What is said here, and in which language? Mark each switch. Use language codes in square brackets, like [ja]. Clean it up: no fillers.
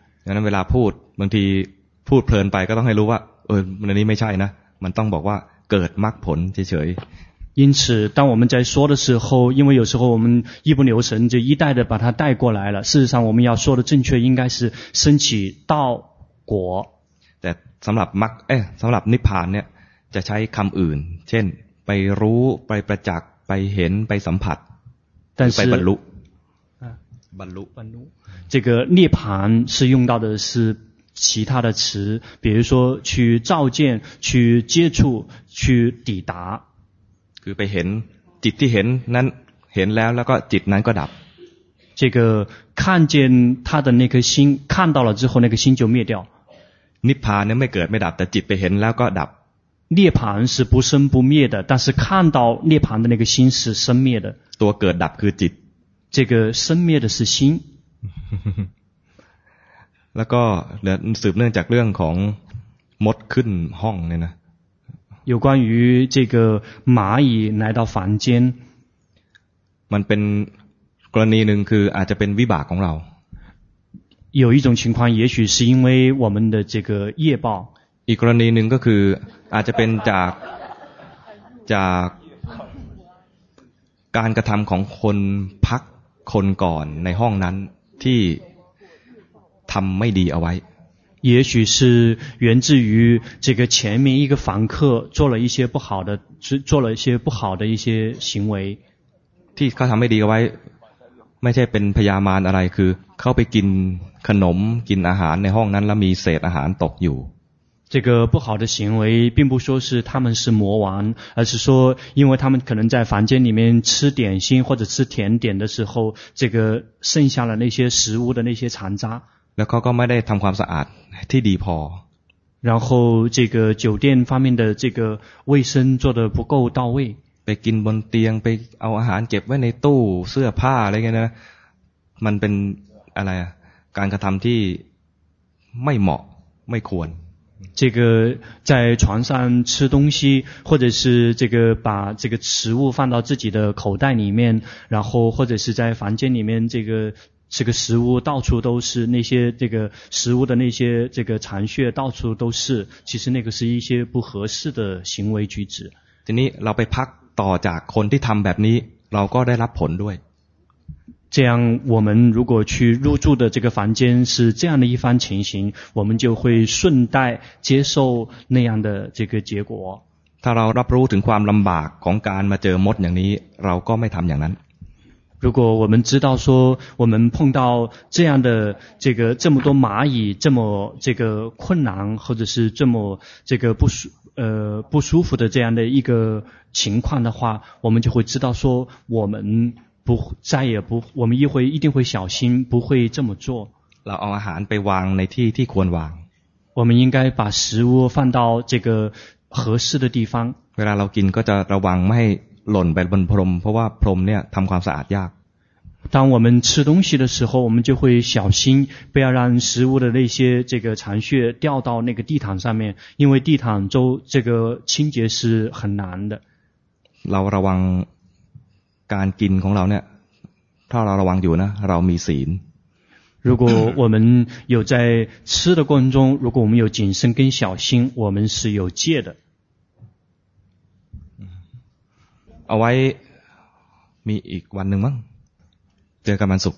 [th] ดังนั้นเวลาพูดบางทีพูดเพลินไปก็ต้องให้รู้ว่าเออมันนี้ไม่ใช่นะมันต้องบอกว่าเกิดมรรคผลเฉย [zh] 因此当我们在说的时候因为有时候我们一不留神就一带的把它带过来了事实上我们要说的正确应该是升起道果 [th] แต่สำหรับมรรคสำหรับนิพพานเนี่ยจะใช้คำอื่นเช่นไปรู้ไปประจักษ์ไปเห็นไปสัมผัส ไป บรรลุ บรรลุ [zh] 这个涅槃是用到的是其他的词比如说去照见去接触去抵达 [th] คือไปเห็นจิตที่เห็นนั้นเห็นแล้วแล้วก็จิตนั้นก็ดับ [zh] 这个看见他的那颗心看到了之后那个心就灭掉 [th] นิพพานเนี่ยไม่เกิดไม่ดับแต่จิตไปเห็นแล้วก็ดับ [zh] 涅槃是不生不灭的但是看到涅槃的那个心是生灭的 [th] ตัวเกิดดับคือจิต [zh] 这个生灭的是心 [th] แล้วก็สืบเนื่องจากเรื่องของมดขึ้นห้องเนี่ยนะ [zh] 有关于这个蚂蚁来到房间 [th] มันเป็นกรณีหนึ่งคืออาจจะเป็นวิบากของเรา [zh] 有一种情况也许是因为我们的这个业报 [th] อีกกรณีหนึ่งก็คืออาจจะเป็นจากการกระทำของคนพักคนก่อนในห้องนั้นที่ทำไม่ดีเอาไว้ [zh] 也许是源自于这个前面一个房客做了一些不好的，做了一些不好的一些行为。 [th] ที่เขาทำไม่ดีเอาไว้ไม่ใช่เป็นพยามารอะไรคือเข้าไปกินขนมกินอาหารในห้องนั้นแล้วมีเศษอาหารตกอยู่。 [zh] 这个不好的行为并不说是他们是魔王，而是说因为他们可能在房间里面吃点心或者吃甜点的时候，这个剩下了那些食物的那些残渣。 [th] แล้วเขาก็ไม่ได้ทำความสะอาดที่ดีพอ [zh] 然后这个酒店方面的这个卫生做得不够到位 [th] ไปกินบนเตียงไปเอาอาหารเก็บไว้ในตู้เสื้อผ้าอะไรเงี้ยนะมันเป็นอะไรอ่ะการกระทำที่ไม่เหมาะไม่ควร [zh] 这个在床上吃东西或者是这个把这个食物放到自己的口袋里面然后或者是在房间里面这个这个食物到处都是那些这个食物的那些这个残屑到处都是其实那个是一些不合适的行为举止 [th] ทีนี้เราไปพักต่อจากคนที่ทำแบบนี้เราก็ได้รับผลด้วย [zh] 这样我们如果去入住的这个房间是这样的一番情形我们就会顺带接受那样的这个结果 [th] ถ้าเรารับรู้ถึงความลำบากของการมาเจอมดอย่างนี้เราก็ไม่ทำอย่างนั้น [zh] 如果我们知道说我们碰到这样的这个这么多蚂蚁这么这个困难或者是这么这个不舒服的这样的一个情况的话，我们就会知道说我们不再也不我们一定会小心不会这么做。 [th] เราเอาอาหารไปวางในที่ที่ควรวาง。 [zh] 我们应该把食物放到这个合适的地方。 [th] เวลาเรากินก็จะระวังไม่ให้หล่นไปบนพรมเพราะว่าพรมเนี่ยทำความสะอาดยาก。 [zh] 当我们吃东西的时候，我们就会小心，不要让食物的那些这个残屑掉到那个地毯上面，因为地毯周这个清洁是很难的。 [th] เราระวังการกินของเราเนี่ยถ้าเราระวังอยู่นะเรามีศีล。 [zh] 如果我们有在吃的过程中，如果我们有谨慎跟小心，我们是有戒的。 [th] เอาไว้มีอีกวันหนึ่งมั้งเจอกันวันศุกร